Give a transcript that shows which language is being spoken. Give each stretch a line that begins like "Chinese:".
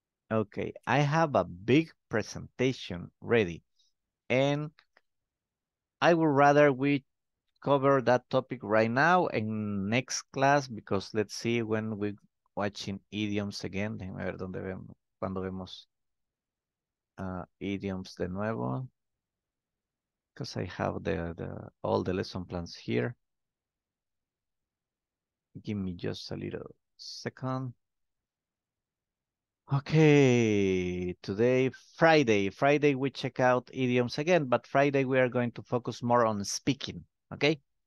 English: Okay, I have a big presentation ready. And I would rather we cover that topic right now in next class, because let's see when we're watching idioms again.
Spanish: Déjame ver dónde vemos, cuando vemos idioms de nuevo.
English: Because I have all the lesson plans here. Give me just a little second. Okay, today, Friday, we check out idioms again, but Friday, we are going to focus more on speaking, okay?